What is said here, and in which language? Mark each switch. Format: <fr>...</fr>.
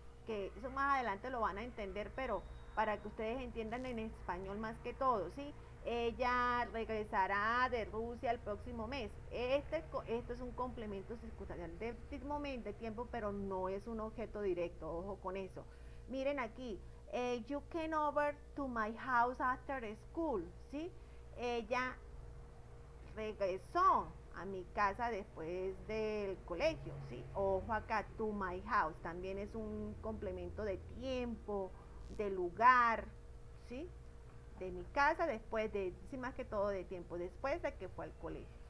<es>Que eso más adelante lo van a entender, pero para que ustedes entiendan en español más que todo, ¿sí? Ella regresará de Rusia el próximo mes. Esto es un complemento circunstancial de tiempo, pero no es un objeto directo. Ojo con eso. Miren aquí.</es> <en>You came over to my house after school, ¿sí?</en> <es>Ella regresó a mi casa después del colegio, ¿sí? Ojo acá, to my house. También es un complemento de tiempo, de lugar, ¿sí? De mi casa después de, sí, más que todo de tiempo, después de que fue al colegio.</es>